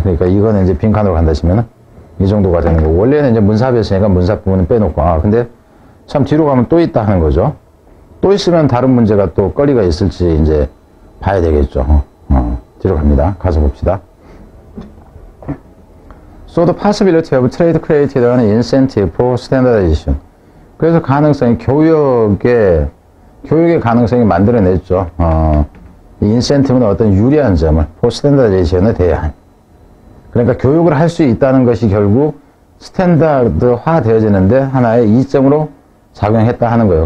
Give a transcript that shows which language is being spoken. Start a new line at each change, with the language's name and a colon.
Korean: 그러니까 이거는 이제 빈칸으로 간다 치면은 이 정도가 되는 거. 원래는 이제 문사비였으니까 문사 부분은 빼놓고. 아, 근데 참 뒤로 가면 또 있다 하는 거죠. 또 있으면 다른 문제가 또 거리가 있을지 이제 봐야 되겠죠. 뒤로 갑니다. 가서 봅시다.
English: So the possibility of trade created an incentive for standardization.
Korean: 그래서 가능성이 교육의 가능성이 만들어냈죠. 인센티브는 어떤 유리한 점을
English: for standardization
Korean: 에 대한. 그러니까 교육을 할 수 있다는 것이 결국 스탠다드화 되어지는데 하나의 이점으로 작용했다 하는 거예요.